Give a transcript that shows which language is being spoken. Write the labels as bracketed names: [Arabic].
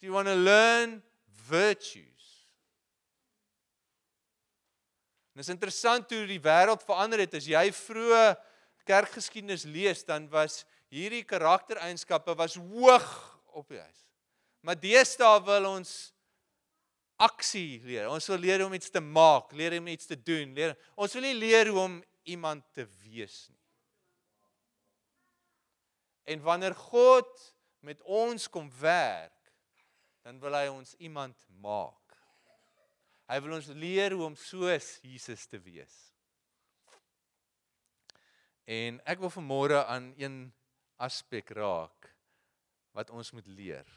[English] You want to learn virtues. [Afrikaans] En is interessant hoe die wêreld verander het, as jy vroeë kerkgeskiedenis lees, dan was hierdie karaktereienskappe was hoog op die huis. Maar deesdae wil ons aksie leer. Ons wil leer om iets te maak, leer om iets te doen. Ons wil nie leer hoe om iemand te wees nie. En wanneer God met ons kom werk, dan wil hy ons iemand maak. Hy wil ons leer hoe om soos Jesus te wees. En ek wil vanmôre aan een aspek raak wat ons moet leer.